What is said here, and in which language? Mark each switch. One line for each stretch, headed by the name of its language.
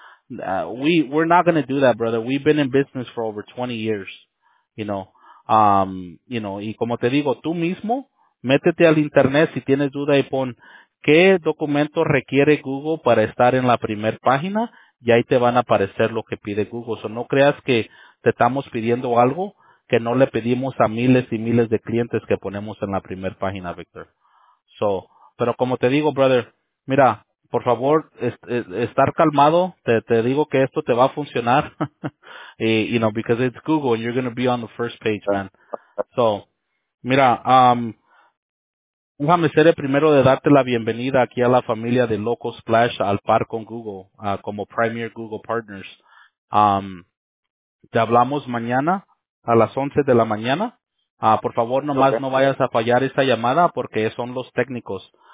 English: We're not going to do that, brother. We've been in business for over 20 years, you know,
Spanish: y como te digo, tú mismo, métete al internet si tienes duda y pon qué documento requiere Google para estar en la primer página y ahí te van a aparecer lo que pide Google. O sea, no creas que te estamos pidiendo algo que no le pedimos a miles y miles de clientes que ponemos en la primer página, Victor. So, pero como te digo, brother, mira, por favor, estar calmado. Te digo que esto te va a funcionar.
English: Y, you know, because it's Google and you're going to be on the first page, man.
Spanish: So, mira, déjame ser el primero de darte la bienvenida aquí a la familia de Loco Splash al par con Google, como Premier Google Partners. Te hablamos mañana a las 11 de la mañana. Por favor, nomás no vayas a fallar esta llamada porque son los técnicos.